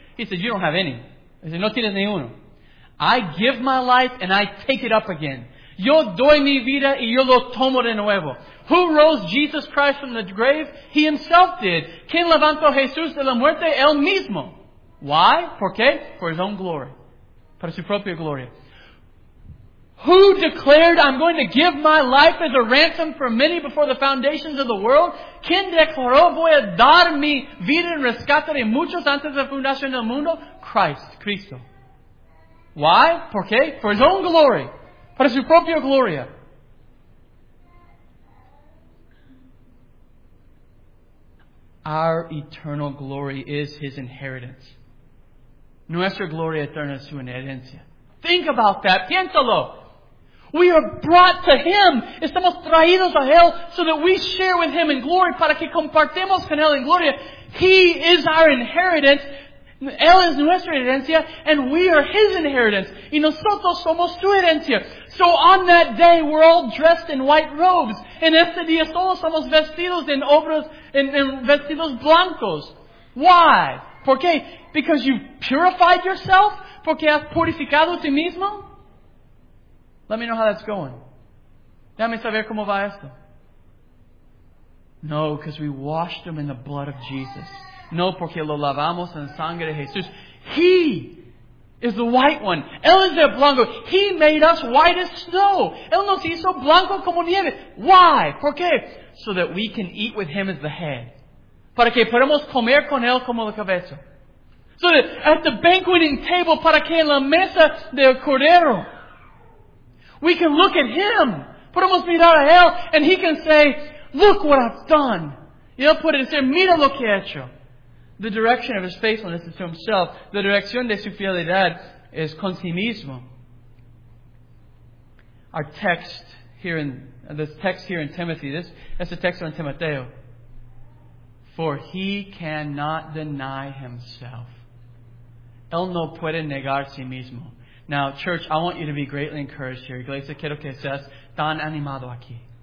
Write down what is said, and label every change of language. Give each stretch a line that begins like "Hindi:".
English: He says, you don't have any.
Spanish: He said, no tienes ni uno.
English: I give my life and I take it up again.
Spanish: Yo doy mi vida y yo lo tomo de nuevo.
English: Who rose Jesus Christ from the grave? He Himself did.
Spanish: ¿Quién levantó Jesús de la muerte? Él mismo.
English: Why?
Spanish: ¿Por qué?
English: For His own glory.
Spanish: Para su propia gloria.
English: Who declared, I'm going to give my life as a ransom for many before the foundations of the world?
Spanish: ¿Quién declaró, voy a dar mi vida en rescate de muchos antes de la fundación del mundo?
English: Christ, Cristo. Why?
Spanish: ¿Por qué?
English: For His own glory.
Spanish: Para su propia gloria.
English: Our eternal glory is His inheritance.
Spanish: Nuestra gloria eterna es su herencia.
English: Think about that.
Spanish: Piénsalo.
English: We are brought to Him.
Spanish: Estamos traídos a Él
English: so that we share with Him in glory.
Spanish: Para que compartamos con Él en gloria.
English: He is our inheritance.
Spanish: Él es nuestra herencia.
English: And we are His inheritance.
Spanish: Y nosotros somos su herencia.
English: So on that day, we're all dressed in white robes.
Spanish: En este día todos somos vestidos en obras, en vestidos blancos.
English: Why?
Spanish: ¿Por qué?
English: Because you've purified yourself?
Spanish: Porque has purificado a ti mismo?
English: Let me know how that's going.
Spanish: Dame saber cómo va esto.
English: No, because we washed them in the blood of Jesus.
Spanish: No, porque lo lavamos en sangre de Jesús. He
English: is the white one.
Spanish: Él es el blanco.
English: He made us white as snow.
Spanish: Él nos hizo blanco como nieve.
English: Why?
Spanish: ¿Por qué?
English: So that we can eat with Him as the head.
Spanish: Para que podamos comer con Él como la cabeza.
English: So that at the banqueting table,
Spanish: para que en la mesa del cordero,
English: we can look at Him.
Spanish: Podemos mirar a Él
English: and He can say, look what I've done.
Spanish: Y Él puede decir, mira lo que he hecho.
English: The direction of His faithfulness is to Himself.
Spanish: La dirección de su fidelidad es con sí mismo.
English: Our text here in this text here in Timothy, that's the text on Timoteo. For He cannot deny Himself.
Spanish: Él no puede negar sí mismo.
English: Now, church, I want you to be greatly encouraged here.
Spanish: Iglesia, quiero que seas tan animado aquí.